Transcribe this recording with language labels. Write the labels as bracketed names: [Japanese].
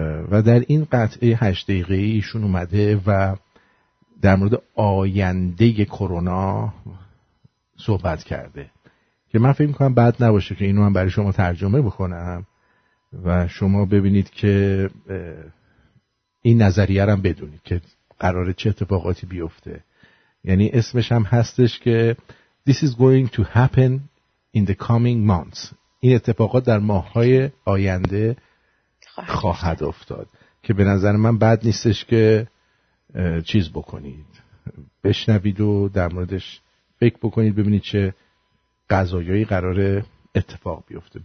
[Persian] و در این قطعه 8 دقیقه‌ای ایشون اومده و در مورد آینده کرونا صحبت کرده که من فکر می‌کنم بد نباشه که اینو هم برای شما ترجمه بکنم و شما ببینید که این نظریه رو هم بدونید که قراره چه اتفاقاتی بیفته. یعنی اسمش هم هستش که [English] This is going to happen in the coming months. [Persian] این اتفاقات در ماه‌های آینده خواهد افتاد که به نظر من بد نیستش که چیز بکنید، بشنوید و در موردش فکر بکنید ببینید چه قضایایی قراره اتفاق بیفته.